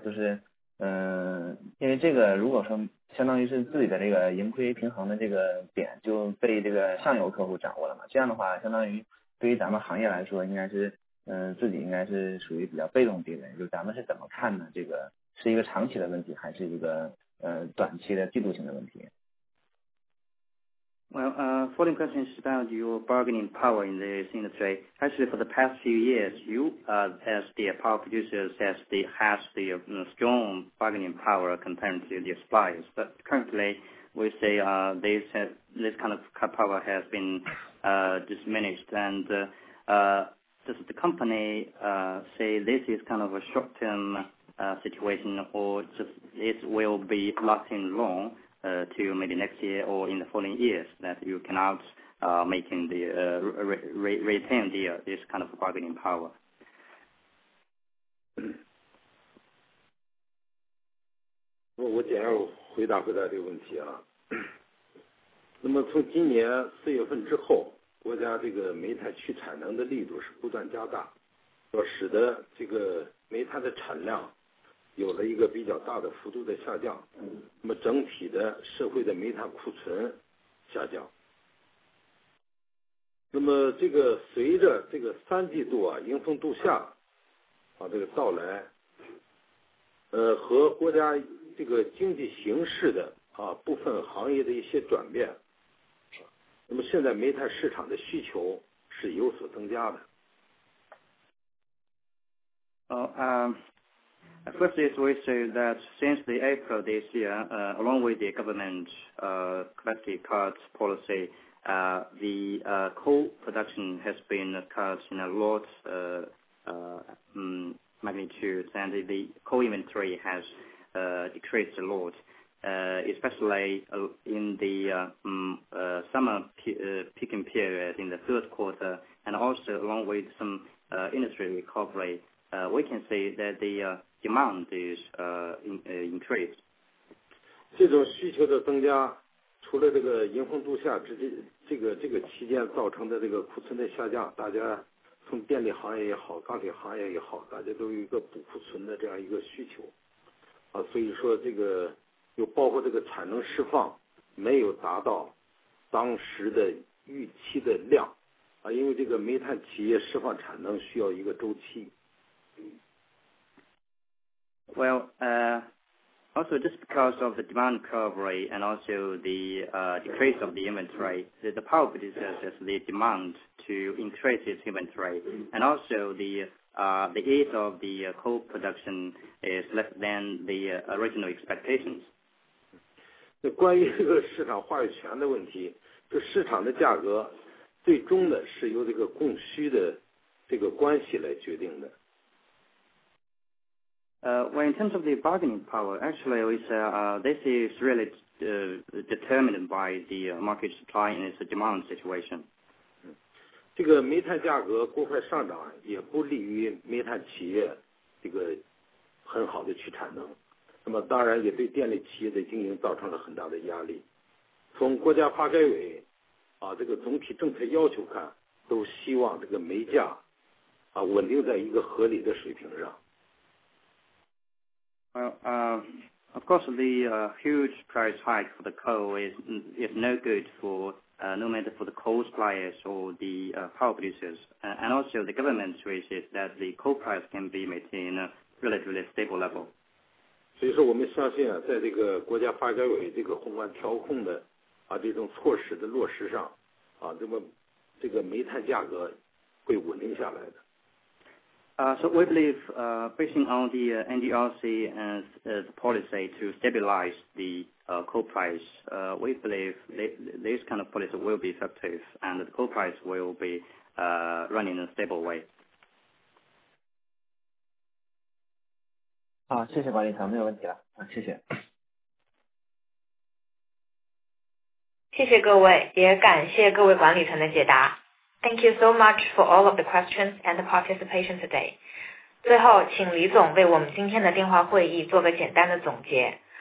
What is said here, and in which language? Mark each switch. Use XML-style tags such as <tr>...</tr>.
<zh>就是因为这个如果说相当于是自己的这个盈亏平衡的这个点就被这个上游客户掌握了嘛，这样的话相当于对于咱们行业来说应该是自己应该是属于比较被动地位，就咱们是怎么看呢？这个是一个长期的问题，还是一个短期的季度性的问题？</zh> <en>Well, following question is about your bargaining power in this industry. Actually, for the past few years, you as the power producers has the strong bargaining power compared to the suppliers. But currently, we say this kind of power has been diminished and does the company say this is kind of a short-term situation or just it will be lasting long to maybe next year or in the following years that you cannot retain the this kind of bargaining power?</en> <zh>我简要回答这个问题那么从今年4月份之后，国家这个煤炭去产能的力度是不断加大，要使得这个煤炭的产量有了一个比较大的幅度的下降，那么整体的社会的煤炭库存下降。那么这个随着这个三季度迎峰度夏这个到来，和国家这个经济形势的部分行业的一些转变，那么现在煤炭市场的需求是有所增加的。</zh> <en>First is we say that since the April this year, along with the government capacity cuts policy, the coal production has been cut in a lot magnitude, and the coal inventory has decreased a lot, especially in the summer peaking period in the third quarter, and also along with some industry recovery, we can see that the demand is increased.</en> <zh>这种需求的增加，除了这个迎峰度夏之际，这个期间造成的这个库存的下降，大家从电力行业也好，钢铁行业也好，大家都有一个补库存的这样一个需求，啊，所以说这个又包括这个产能释放没有达到当时的预期的量，啊，因为这个煤炭企业释放产能需要一个周期。</zh> <en>Well, also just because of the demand recovery and also the decrease of the inventory, the power producer has the demand to increase its inventory, and also the ease of the coal production is less than the original expectations.</en> <zh>关于这个市场话语权的问题，就市场的价格最终的是由这个供需的这个关系来决定的。</zh> <en>Well, in terms of the bargaining power, actually, this is really determined by the market supply and its demand situation.</en> <zh>这个煤炭价格过快上涨也不利于煤炭企业这个很好的去产能，那么当然也对电力企业的经营造成了很大的压力。从国家发改委啊这个总体政策要求看，都希望这个煤价啊稳定在一个合理的水平上。</zh> <en>Well, of course, the huge price hike for the coal is no good for no matter for the coal suppliers or the power producers. And also the government wishes that the coal price can be maintained at a relatively stable level.</en> <zh>所以说我们相信啊，在这个国家发改委这个宏观调控的啊这种措施的落实上啊，那么这个煤炭价格会稳定下来的。</zh> <en>So we believe, based on the NDRC and the policy to stabilize the coal price, we believe this kind of policy will be effective and the coal price will be running in a stable way.</en> <zh>好，谢谢管理层，没有问题了。谢谢。谢谢各位，也感谢各位管理层的解答。</zh> <en>Thank you so much for all of the questions and the participation today.</en> <zh>最后请李总为我们今天的电话会议做个简单的总结。</zh>